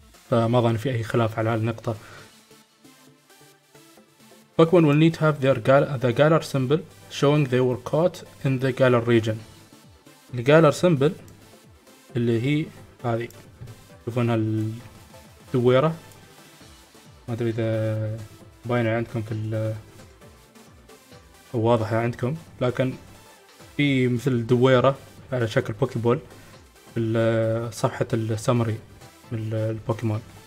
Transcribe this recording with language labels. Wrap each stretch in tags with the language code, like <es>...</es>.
<ar>فما ظن في أي خلاف على هالنقطة.</ar> <en>Pokemon will need to have their Galar symbol showing they were caught in the Galar region.</en> <ar>The Galar symbol اللي هي هذه، شوفونها الدويرة، ما أدري إذا باينة عندكم في ال أو واضحة عندكم، لكن في مثل دويرة على شكل بوكي بول في صفحة السمري من البوكيمون.</ar>